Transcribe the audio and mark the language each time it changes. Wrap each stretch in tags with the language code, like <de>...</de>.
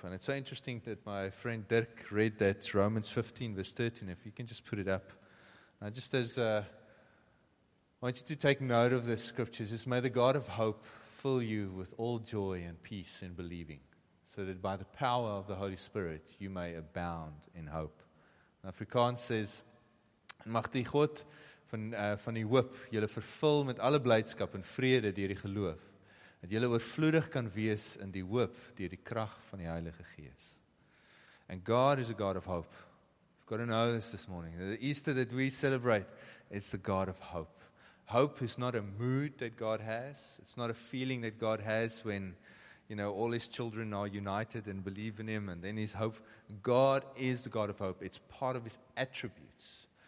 <en>And it's so interesting that my friend Dirk read that Romans 15, verse 13. If you can just put it up. Now, just as I want you to take note of this scripture, it says, may the God of hope fill you with all joy and peace in believing, so that by the power of the Holy Spirit you may abound in hope.</en> <af>Afrikaans says, mag die God van die hoop julle vervul met alle blydskap en vrede deur die geloof, dat julle oorvloedig kan wees in die hoop deur die krag van die Heilige Gees.</af> <en>And God is a God of hope. You've got to know this morning. The Easter that we celebrate is the God of hope. Hope is not a mood that God has. It's not a feeling that God has when, you know, all his children are united and believe in him, and then his hope. God is the God of hope. It's part of his attributes.</en>